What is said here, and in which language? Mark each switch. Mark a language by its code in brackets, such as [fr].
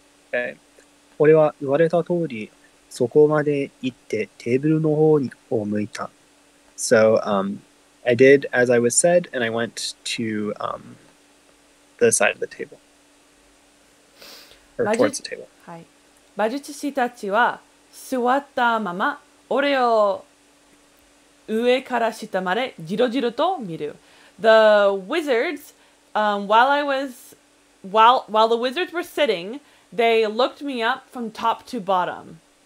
[ja] Okay. 俺は言われた通りそこまで行ってテーブルの方に向いた。 [en] So, I did as I was said, and I went to, the side of the table. Or towards the table. [ja] はい。魔術師たちは座ったまま、俺を上から下までじろじろと見る。 [en] The wizards, while the wizards were sitting, they looked me up from top to bottom.